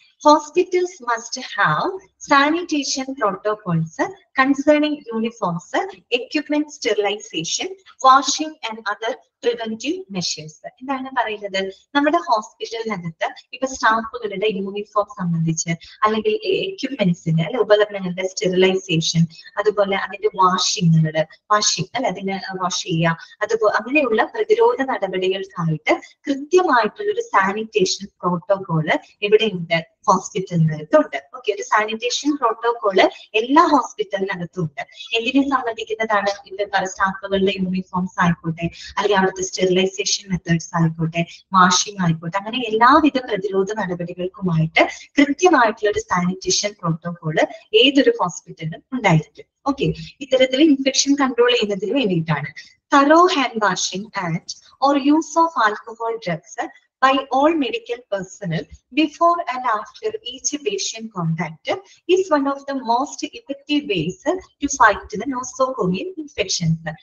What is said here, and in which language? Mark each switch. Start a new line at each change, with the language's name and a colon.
English: Hospitals must have sanitation protocols concerning uniforms, equipment sterilization, washing and other preventive measures.
Malayalam: എന്താണ് പറയുന്നത്? നമ്മുടെ ഹോസ്പിറ്റലിനകത്ത് ഇപ്പൊ സ്റ്റാഫുകളുടെ uniform സംബന്ധിച്ച് അല്ലെങ്കിൽ എക്യുപ്മെന്റ്സിന് അല്ലെ ഉപകരണങ്ങളുടെ സ്റ്റെറിലൈസേഷൻ, അതുപോലെ അതിന്റെ വാഷിങ്ങുകള് വാഷിങ് അല്ലെ അതിന് വാഷ് ചെയ്യുക, അതുപോലെ അങ്ങനെയുള്ള പ്രതിരോധ നടപടികൾക്കായിട്ട് കൃത്യമായിട്ടുള്ളൊരു സാനിറ്റേഷൻ പ്രോട്ടോകോള് ഇവിടെയുണ്ട്, ഹോസ്പിറ്റലിനകത്തുണ്ട്. ഓക്കെ, ഒരു സാനിറ്റേഷൻ പ്രോട്ടോകോള് എല്ലാ ഹോസ്പിറ്റലിനകത്തും ഉണ്ട്. എന്തിനെ സംബന്ധിക്കുന്നതാണ്? ഇവിടെ സ്റ്റാഫുകളുടെ യൂണിഫോംസ് ആയിക്കോട്ടെ, അല്ലെങ്കിൽ അവിടുത്തെ സ്റ്റെറിലൈസേഷൻ മെത്തേഡ്സ് ആയിക്കോട്ടെ, വാഷിംഗ് ആയിക്കോട്ടെ, അങ്ങനെ എല്ലാവിധ പ്രതിരോധ നടപടികൾക്കുമായിട്ട് കൃത്യമായിട്ടുള്ള ഒരു സാനിറ്റേഷൻ പ്രോട്ടോകോള് ഏതൊരു ഹോസ്പിറ്റലിനും ഉണ്ടായിരിക്കും. ഓക്കെ, ഇത്തരത്തിൽ ഇൻഫെക്ഷൻ കൺട്രോൾ ചെയ്യുന്നതിന് വേണ്ടിയിട്ടാണ്.
English: Thorough hand washing and or use of alcohol drugs by all medical personnel before and after each patient contact is one of the most effective ways to fight the nosocomial infections.